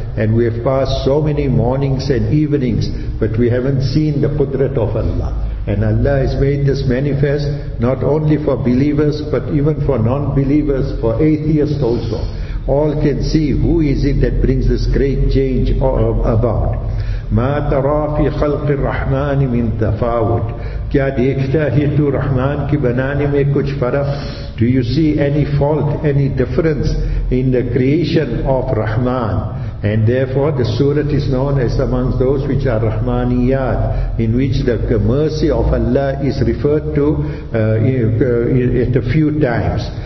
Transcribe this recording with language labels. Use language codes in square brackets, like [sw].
[en] And we have passed so many mornings and evenings, but we haven't seen the Qudrat of Allah. And Allah has made this manifest not only for believers but even for non-believers, for atheists also. All can see who is it that brings this great change about. [ar] مَا تَرَى فِي خَلْقِ الرَّحْمَانِ مِنْ تَفَاوُتْ. [ur] کیا دیکھتا ہے تو رحمان کی بنانے میں کچھ فرق. [en] Do you see any fault, any difference in the creation of Rahman? And therefore the surah is known as amongst those which are Rahmaniyat, in which the mercy of Allah is referred to at a few times.